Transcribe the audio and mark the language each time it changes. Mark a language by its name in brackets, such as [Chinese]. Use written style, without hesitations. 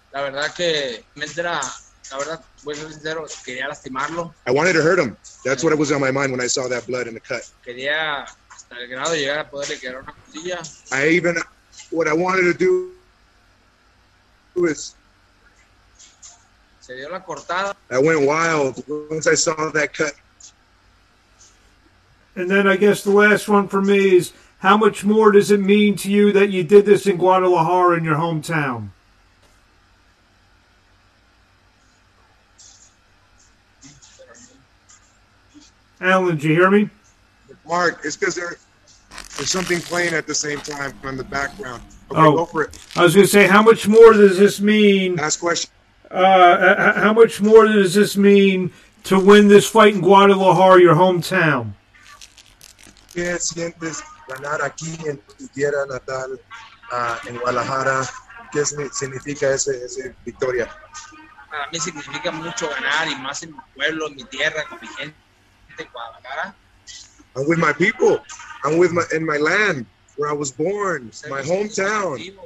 [Spanish] la verdad que me entera, la verdad, voy a ser sincero, quería lastimarlo. [English] I wanted to hurt him. That's what was on my mind when I saw that blood in the cut. [Spanish] Quería hasta el grado llegar a poderle quedar una costilla. [English] I even, what I wanted to do was, [Spanish] se dio la cortada. [English] I went wild once I saw that cut. And then I guess the last one for me is, how much more does it mean to you that you did this in Guadalajara in your hometown? Alan, did you hear me? Mark, it's because there's something playing at the same time in the background. Okay, go for it. I was going to say, how much more does this mean? Last question. How much more does this mean to win this fight in Guadalajara, your hometown? [Spanish] ¿Qué sientes ganar aquí en tu tierra natal, en Guadalajara? ¿Qué significa esa victoria? Para mí significa mucho ganar, y más en mi pueblo, en mi tierra, con mi gente. [English] I'm with my people. I'm with my in my land where I was born, my hometown.